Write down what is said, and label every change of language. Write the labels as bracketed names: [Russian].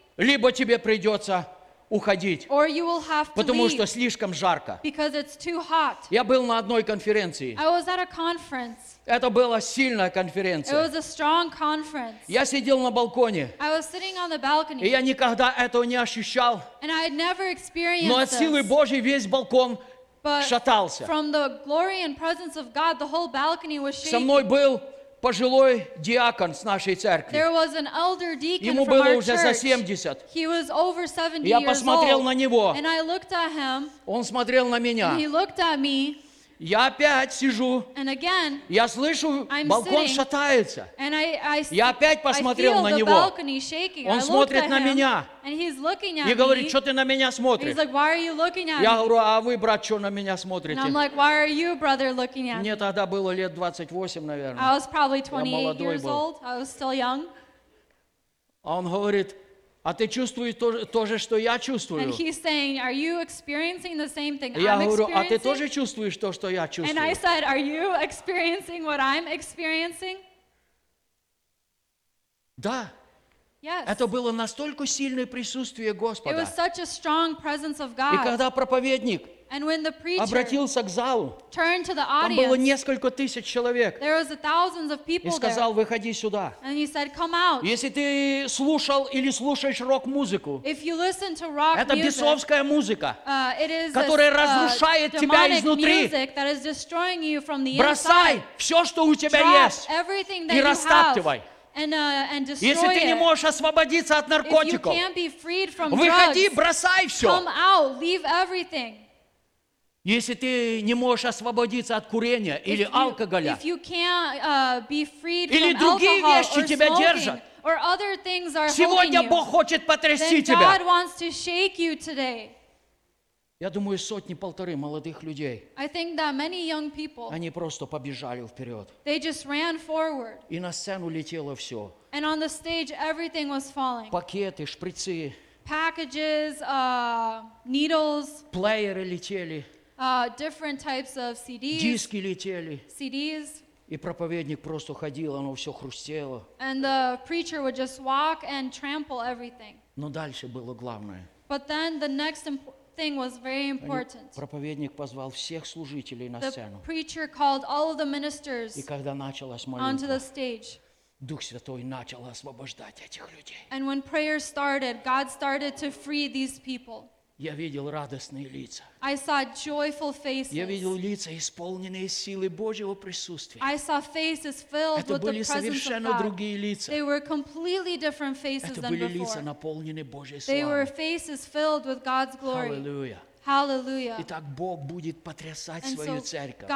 [Russian] либо тебе придется уходить, [English] or you will have to [Russian] потому [English] leave [Russian] что слишком жарко. [English] Because it's too hot. [Russian] Я был на одной конференции. [English] I was at a conference. [Russian] Это была сильная конференция. [English] It was a strong conference. [Russian] Я сидел на балконе. [English] I was sitting on the balcony. [Russian] И я никогда этого не ощущал. [English] And I had never experienced [Russian] но от силы [English] this. [Russian] Божьей весь балкон [English] but [Russian] шатался. [English] From the glory and presence of God, the whole balcony was shaking. [Russian] Со мной был пожилой диакон с нашей церкви. [English] There was an elder deacon [Russian] ему [English] from [Russian] было [English] our [Russian] уже [English] church. [Russian] За 70. [English] He was over 70 [Russian] я [English] years [Russian] посмотрел [English] old. [Russian] На него. [English] And I looked at him. [Russian] Он смотрел на меня. [English] And he looked at me. [Russian] Я опять сижу. [English] And again, [Russian] я слышу, [English] I'm [Russian] балкон [English] sitting, [Russian] шатается. [English] And [Russian] я опять посмотрел на него. Он [English] I [Russian] смотрит на [English] him, [Russian] меня. [English] And he's looking at [Russian] и говорит, [English] me. [Russian] Что ты на меня смотришь? [English] He's like, why are you looking at [Russian] я [English] me? [Russian] Говорю, а вы, брат, что на меня смотрите? [English] And I'm like, why are you, brother, looking at [Russian] мне [English] me? [Russian] Тогда было лет 28, наверное. [English] I was probably 28 years old. I was still young. [Russian] А он говорит, а ты чувствуешь то же, что я чувствую? [English] And he's saying, are you experiencing the same thing [Russian] я [English] I'm [Russian] говорю, [English] experiencing? [Russian] А ты тоже чувствуешь то, что я чувствую? [English] And I said, are you experiencing what I'm experiencing? [Russian] Да. [English] Yes. [Russian] Это было настолько сильное присутствие Господа. [English] It was such a strong presence of God. [Russian] И когда проповедник [English] and when the preacher [Russian] обратился к залу, [English] turned to the audience, [Russian] там было несколько тысяч человек, [English] there was thousands of people [Russian] и сказал, [English] there. [Russian] Выходи сюда. [English] And he said, come out. [Russian] Если ты слушал или слушаешь рок-музыку, [English] if you listen to rock [Russian] это [English] music, [Russian] бесовская музыка, [English] it is [Russian] которая [English] a, [Russian] разрушает тебя изнутри. [English] Music that is destroying you from the inside. [Russian] Бросай все, что у тебя [English] drop [Russian] есть, [English] everything that [Russian] и растаптывай. [English] And destroy [Russian] если ты не можешь освободиться от наркотиков, [English] if you can't be freed from [Russian] выходи, [English] drugs, [Russian] бросай все. [English] Come out, leave everything. [Russian] Если ты не можешь освободиться от курения [English] if [Russian] или алкоголя, [English] you, you can't, be freed [Russian] или [English] from [Russian] другие [English] alcohol, [Russian] вещи [English] or [Russian] тебя [English] smoking, [Russian] держат, [English] or other things are [Russian] сегодня [English] holding [Russian] Бог хочет потрясти [English] then God [Russian] тебя. [English] Wants to shake you today. [Russian] Я думаю, сотни-полторы молодых людей, [English] I think that many young people, [Russian] они просто побежали вперед. [English] They just ran forward. [Russian] И на сцену летело все. [English] And on the stage, everything was falling. [Russian] Пакеты, шприцы, [English] packages, needles, [Russian] плееры летели, [English] different types of CDs, [Russian] диски летели, [English] CDs, [Russian] и проповедник просто ходил, оно все хрустело. [English] And the preacher would just walk and trample everything. [Russian] Но дальше было главное. [English] But then the next important thing was very important. [Russian] Проповедник позвал всех служителей на сцену. [English] The preacher called all of the ministers. [Russian] И когда началась молитва, [English] onto the stage. [Russian] Дух Святой начал освобождать этих людей. [English] And when prayer started, God started to free these people. [Russian] Я видел радостные лица. [English] I saw joyful faces. [Russian] Я видел лица, исполненные силы Божьего присутствия. [English] I saw faces filled with the presence of God. [Russian] Это были совершенно другие лица. [English] They were completely different faces than before. [Russian] Это были лица, наполненные Божьей славой. [English] They were faces filled with God's glory. Hallelujah. Hallelujah. [Russian] Итак, Бог будет потрясать свою церковь.